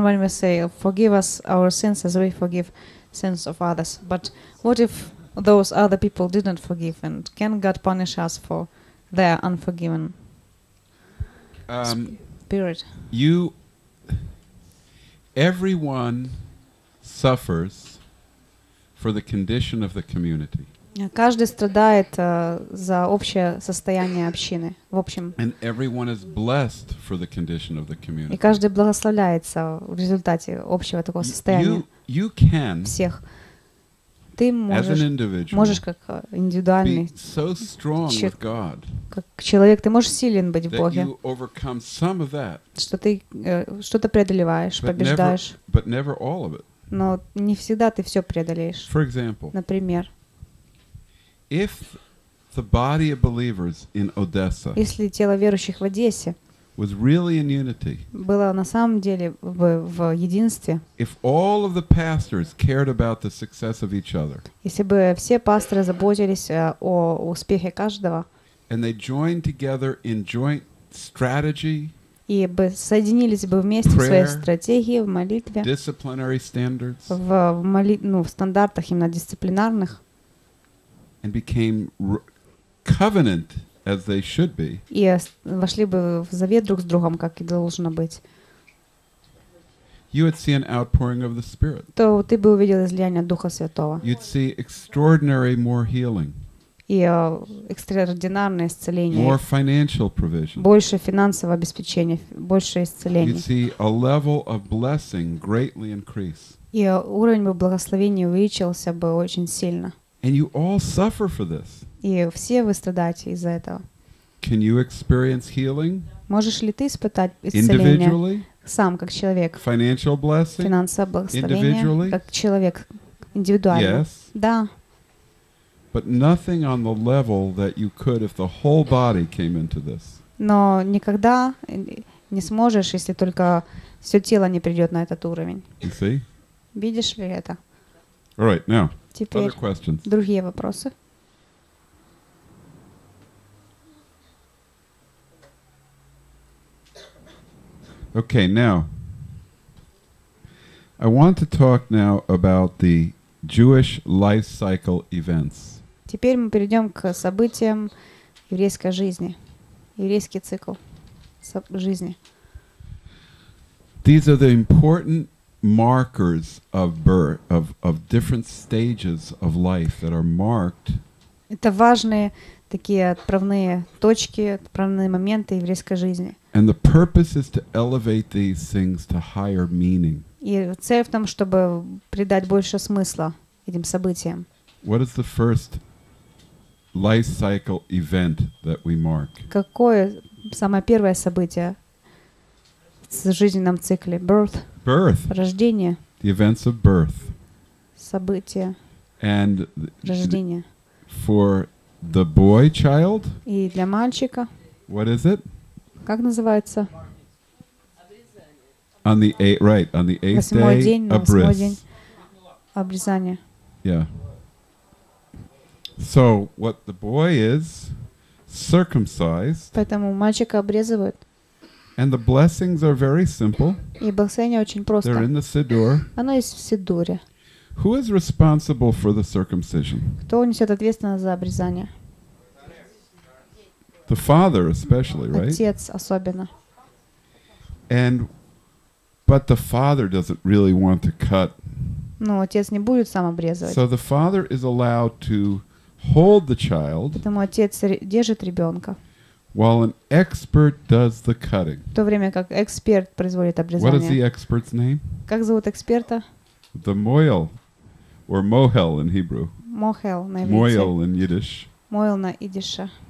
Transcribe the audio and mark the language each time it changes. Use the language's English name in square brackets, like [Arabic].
[English] When we say, "Forgive us our sins, as we forgive sins of others," but what if those other people didn't forgive, and can God punish us for their unforgiven spirit? Everyone suffers for the condition of the community. [Russian] Каждый страдает за общее состояние общины, в общем. [English] And everyone is blessed for the condition of the community. [Russian] И каждый благословляется в результате общего такого состояния. [English] You can, [Russian] всех. Ты можешь, [English] as an individual, [Russian] можешь как индивидуальный, [English] be so strong with God, [Russian] как человек, ты можешь силен быть в Боге, [English] that you overcome some of that, [Russian] что ты что-то преодолеваешь, побеждаешь. [English] But never all of it. [Russian] Но не всегда ты все преодолеешь. [English] For example, [Russian] например, [English] if the body of believers in Odessa, [Russian] если тело верующих в Одессе, [English] was really in unity, [Russian] было на самом деле в единстве, [English] if all of the pastors cared about the success of each other, [Russian] если бы все пасторы заботились о успехе каждого, [English] and they joined together in joint strategy, [Russian] и бы соединились бы вместе [English] prayer, [Russian] в своей стратегии, в молитве, [English] disciplinary standards, [Russian] в стандартах именно дисциплинарных. [English] And became covenant as they should be. [Russian] И вошли бы в завет друг с другом, как и должно быть. [English] You would see an outpouring of the Spirit. [Russian] То ты бы увидел излияние Духа Святого. [English] You'd see extraordinary more healing. [Russian] И экстраординарное исцеление. [English] More financial provision. [Russian] Больше финансового обеспечения, больше исцеления. [English] You'd see a level of blessing greatly increase. [Russian] И уровень бы благословения увеличился бы очень сильно. [English] And you all suffer for this. [Russian] И все вы страдаете из-за этого. [English] Can you experience healing? [Russian] Можешь ли ты испытать исцеление? [English] Individually? [Russian] Сам как человек. [English] Financial blessing? [Russian] Финансовое благословение? [English] Individually? [Russian] Как человек индивидуально? [English] Yes. [Russian] Да. [English] But nothing on the level that you could if the whole body came into this. [Russian] Но никогда не сможешь, если только все тело не придет на этот уровень. [English] You see? [Russian] Видишь ли это? [English] All right, now. [Russian] Теперь [English] other questions. [Russian] Другие вопросы. [English] Okay, now I want to talk now about the Jewish life cycle events. [Russian] Теперь мы перейдем к событиям еврейской жизни, еврейский цикл жизни. [English] These are the important markers of birth, of different stages of life that are marked. [Russian] Это важные такие отправные точки, отправные моменты еврейской жизни. [English] And the purpose is to elevate these things to higher meaning. [Russian] И цель в том, чтобы придать больше смысла этим событиям. [English] What is the first life cycle event that we mark? [Russian] Какое самое первое событие, жизненном цикле. [English] Birth. Birth. [Russian] Рождение. [English] The events of birth. [Russian] События. [English] And [Russian] рождение. [English] For the boy child. [Russian] И для мальчика. [English] What is it? [Russian] Как называется? [English] On the eighth, right, on the eighth day, [Russian] обрезание. [English] Yeah. So what the boy is circumcised. [Russian] Поэтому мальчика обрезывают. [English] And the blessings are very simple. [Russian] И благословение очень просто. [English] They're in the Siddur. [Russian] Оно есть в Сидуре. [English] Who is responsible for the circumcision? [Russian] Кто несет ответственность за обрезание? [English] The father, especially, right? [Russian] Отец особенно. [English] And but the father doesn't really want to cut. [Russian] Ну, отец не будет сам обрезывать. [English] So the father is allowed to hold the child. [Russian] Поэтому отец держит ребенка. [English] While an expert does the cutting. [Russian] В то время как эксперт производит обрезание. [English] What is the expert's name? [Russian] Как зовут эксперта? [English] The Moel, or Mohel in Hebrew. [Russian] Mohel на иврите. [English] Moel in Yiddish. [Russian] Moel на идише.